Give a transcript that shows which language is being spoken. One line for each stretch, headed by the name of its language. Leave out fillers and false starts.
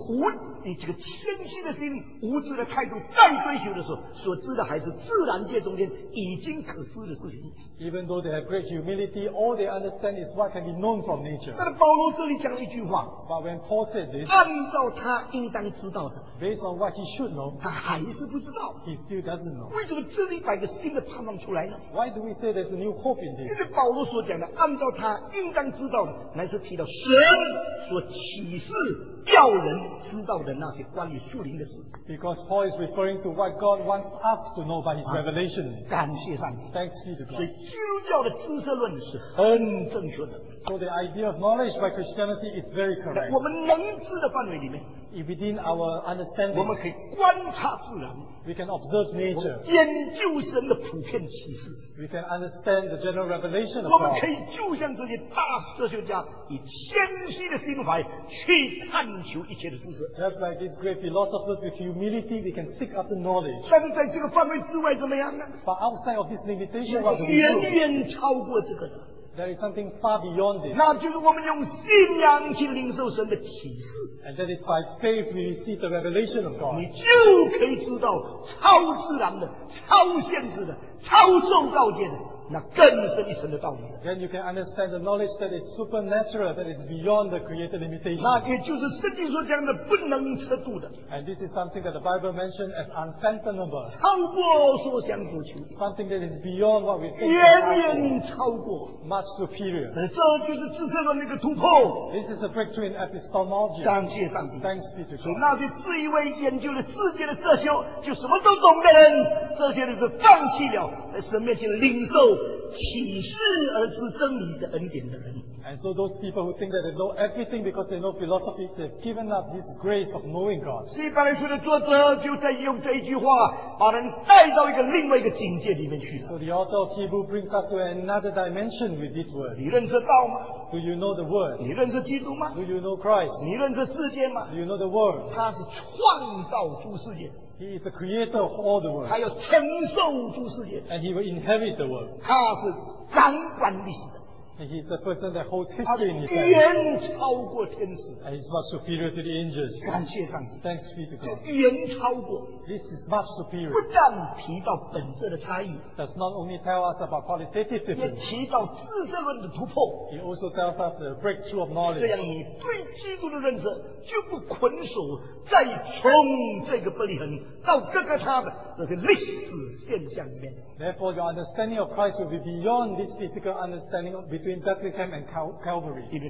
Chinese: 如果他们以这个谦虚的心、无知的态度再追求的时候，所知的还是自然界中间已经可知的事情。
English: Even though they have great humility, all they understand is what can be known from nature.
Chinese: 但是保罗这里讲了一句话。
English: But when Paul said this,
Chinese: 按照他应当知道的。
English: Based on what he should know,
Chinese: 他还是不知道。
English: He still doesn't know.
Chinese: 为什么这里摆个新的盼望出来呢？
English: Why do we say there's a new hope in this?
Chinese: 因为保罗所讲的按照他应当知道的，乃是提到神所启示要人知道的那些关于树林的事。
English: Because Paul is referring to what God wants us to know by His revelation.
Chinese: 感谢上帝。
English: Thanks be to God.
Chinese: 所以基督教的知识论是很正确的。
English: So the idea of knowledge by Christianity is very correct.
Chinese: 我们能知的范围里面。
English: Within our understanding,
Chinese: 我们可以观察自然。
English: We can observe nature.
Chinese: 我们研究神的普遍启示。
English: We can understand the general revelation of God.
Chinese: 我们可以就像这些大哲学家，以谦虚的心怀去探求一切的知识。
English: Just like these great philosophers, with humility, we can seek after knowledge.
Chinese: 但是在这个范围之外怎么样呢？
English: But outside of this limitation, what do we do?
Chinese: 远远超过这个的。
English: There is something far beyond this.
Chinese: 那就是我们用信仰去领受神的启示。
English: And that is by faith we receive the revelation of God.
Chinese: 你就可以知道超自然的、超限制的、超受告诫的那更深一层的道理。
English: Then you can understand the knowledge that is supernatural, that is beyond the created limitations.
Chinese: 那也就是圣经所讲的不能测度的。
English: And this is something that the Bible mentioned as unfathomable.
Chinese: 超过所想所求。
English: Something that is beyond what we think.
Chinese: 远远超过。
English: Much superior.
Chinese: 这就是知识论的一个突破。
English: This is a breakthrough in epistemology.
Chinese: 感谢上帝。
English: Thanks be to God.
Chinese: 所以那些自以为研究了世界的哲学，就什么都懂的人，这些人是放弃了在神面前领受启示而知真理的恩典的人。
English: And so those people who think that they know everything because they know philosophy, they've given up this grace of knowing God.
Chinese: 希伯来书的作者就在用这一句话把人带到一个另外一个境界里面去了。
English: So the author of Hebrew brings us to another dimension with this word.
Chinese: 你认识道吗？
English: Do you know the word?
Chinese: 你认识基督吗？
English: Do you know Christ?
Chinese: 你认识世界吗？
English: Do you know the world?
Chinese: 他是创造诸世界。
English: He is the creator of all the world.
Chinese: 他要承受诸世界。
English: And he will inherit the world.
Chinese: 他是掌管历史的。
English: And he's the person that holds history in his hands.
Chinese: 远超过天使。
English: And he's much superior to the angels.
Chinese: 感谢上帝。
English: Thanks be to God.
Chinese: 就远超过。
English: This is much superior.
Chinese: 不但提到本质的差异。
English: Does not only tell us about qualitative difference.
Chinese: 也提到知识论的突破。
English: He also tells us the breakthrough of knowledge.
Chinese: 这样你对基督的认识就不捆锁再从这个伯利恒到哥哥他的这些历史现象里面。
English: Therefore, your understanding of Christ will be beyond this physical understanding between Bethlehem and Calvary.